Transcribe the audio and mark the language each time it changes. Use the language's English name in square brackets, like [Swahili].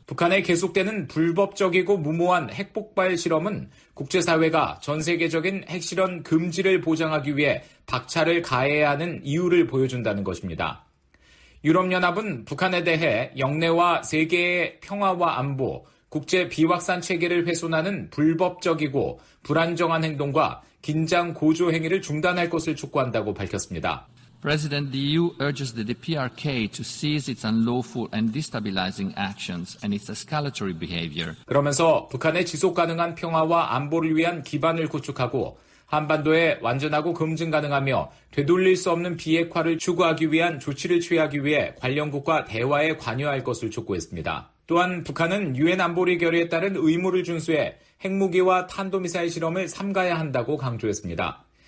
[Korean] 북한의 계속되는 불법적이고 무모한 핵폭발 실험은 국제사회가 전 세계적인 핵실험 금지를 보장하기 위해 박차를 가해야 하는 이유를 보여준다는 것입니다. 유럽연합은 북한에 대해 영내와 세계의 평화와 안보, 국제 비확산 체계를 훼손하는 불법적이고 불안정한 행동과 긴장 고조 행위를 중단할 것을 촉구한다고 밝혔습니다. [English] President, the EU urges the DPRK to cease its unlawful and destabilizing actions and its escalatory behavior. [Korean] 그러면서 북한의 지속 가능한 평화와 안보를 위한 기반을 구축하고 한반도에 완전하고 검증 가능하며 되돌릴 수 없는 비핵화를 추구하기 위한 조치를 취하기 위해 관련국과 대화에 관여할 것을 촉구했습니다. 또한 북한은 유엔 안보리 결의에 따른 의무를 준수해 핵무기와 탄도미사일 실험을 삼가야 한다고 강조했습니다.